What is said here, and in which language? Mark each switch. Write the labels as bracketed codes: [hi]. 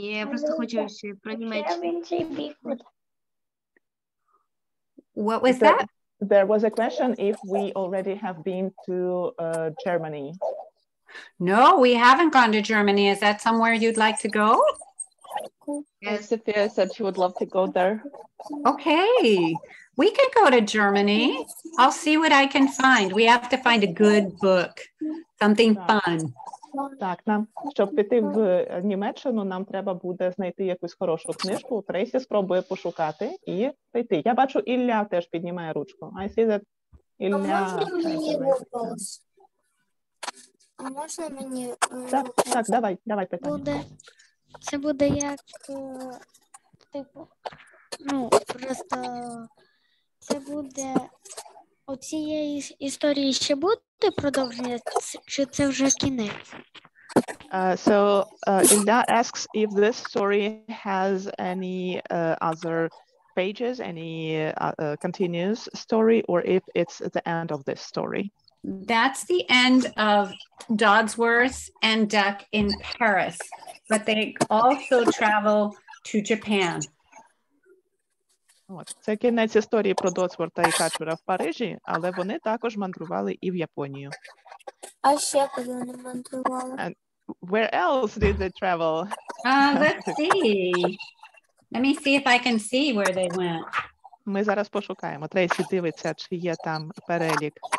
[uk] Я просто хочу ще про Німеччину. [en] What was that? There was a question if we already have been to Germany. No, we haven't gone to Germany. Is that somewhere you'd like to go? Yes, Sophia said she would love to go there. Okay, we can go to Germany. I'll see what I can find. We have to find a good book, something fun. [uk] Так, нам, щоб піти в Німеччину, нам треба буде знайти якусь хорошу книжку. Трейсі спробує пошукати і пойти. Я бачу, Ілля теж піднімає ручку. [en] I see that Ілля... [uk] А можна мені вопрос? А можна мені... Так, так, давай, давай питання. Буде. Це буде як... Типу... Ну, просто... Це буде... У цієї історії ще буде продовження, чи це вже кінець? [en] Ілля asks if this story has any other pages, any continuous story, or if it's the end of this story. That's the end of Dodsworth and Duck in Paris, but they also travel to Japan. [uk] От, це кінець історії про Додсворта і Качура в Парижі, але вони також мандрували і в Японію. А ще куди вони мандрували? [en] And where else did they travel? Let's see. Let me see if I can see where they went. [uk] Ми зараз пошукаємо. Трейсі дивиться, чи є там перелік.